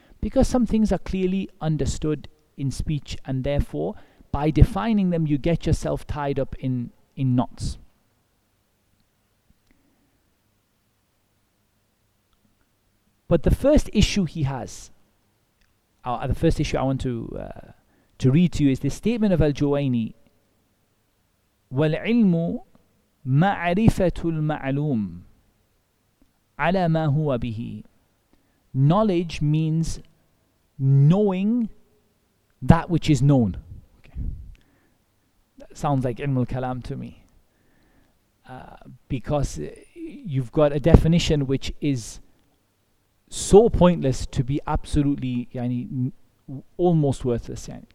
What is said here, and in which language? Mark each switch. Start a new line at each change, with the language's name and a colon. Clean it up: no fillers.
English: Because some things are clearly understood in speech, and therefore, by defining them, you get yourself tied up in knots. But the first issue he has, the first issue I want to read to you is this statement of Al-Juwayni.
Arabic: وَالْعِلْمُ معرفة المعلوم على ما هو به.
English: Knowledge means knowing that which is known. Okay. That sounds like ilm al-kalam to me. Because you've got a definition which is so pointless to be absolutely, almost worthless.